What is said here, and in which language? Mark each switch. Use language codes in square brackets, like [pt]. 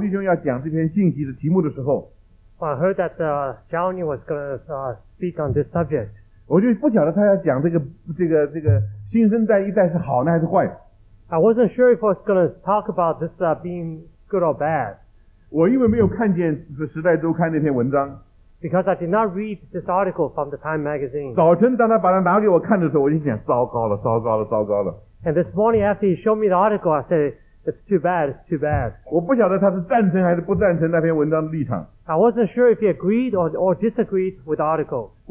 [zh] 我很难准备，因为不晓得胡弟兄要讲多久。当我听到胡弟兄要讲这篇信息的题目的时候， [en] I heard that Johnny was going to speak on this subject. [zh] 我就不晓得他要讲这个新生代一代是好呢还是坏。 [en] I wasn't sure if I was going to talk about this being good or bad. [zh] 我因为没有看见《时代周刊》那篇文章。 [en] Because I did not read this article from the Time magazine. [zh] 早晨当他把它拿给我看的时候，我就想，糟糕了，糟糕了，糟糕了。 [en] And this morning after he showed me the article, I said, it's too bad, it's too bad. [zh] 我不晓得他是赞成还是不赞成那篇文章的立场。 [en] I wasn't sure if he agreed or disagreed with the article.